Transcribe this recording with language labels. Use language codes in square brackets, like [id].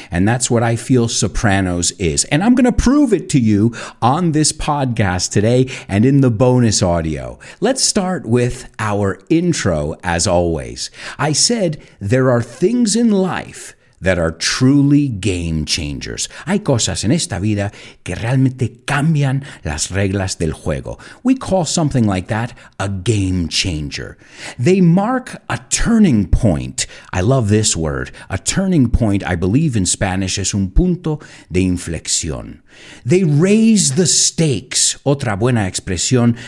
[en] And that's what I feel Sopranos is. And I'm going to prove it to you on this podcast today and in the bonus audio. Let's start with our intro, as always. I said there are things in life that are truly game changers. [es] Hay cosas en esta vida que realmente cambian las reglas del juego. [en] We call something like that a game changer. They mark a turning point. I love this word. A turning point, I believe in Spanish, [es] es un punto de inflexión. [en] They raise the stakes. [es] Otra buena expresión.